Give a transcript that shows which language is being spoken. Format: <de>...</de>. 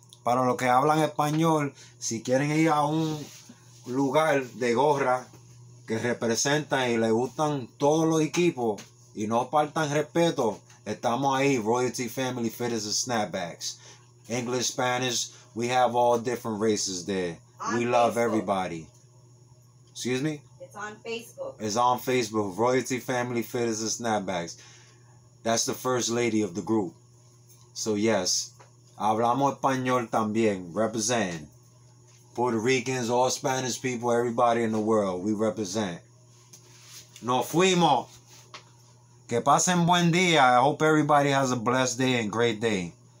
<es>Para los que hablan español, si quieren ir a un lugar de gorra que representan y le gustan todos los equipos y no faltan respeto, estamos ahí, Royalty Family Fitters and Snapback'S.</es> <en>English, Spanish, we have all different races there. We love everybody. Excuse me? It's on Facebook. It's on Facebook, Royalty Family Fitters and Snapback'S. That's the first lady of the group. So, yes,</en> <es>hablamos español también,</es> <en>representing. Puerto Ricans, all Spanish people, everybody in the world, we represent.</en> <es>Nos fuimos. Que pasen buen día.</es> <en>I hope everybody has a blessed day and great day.</en>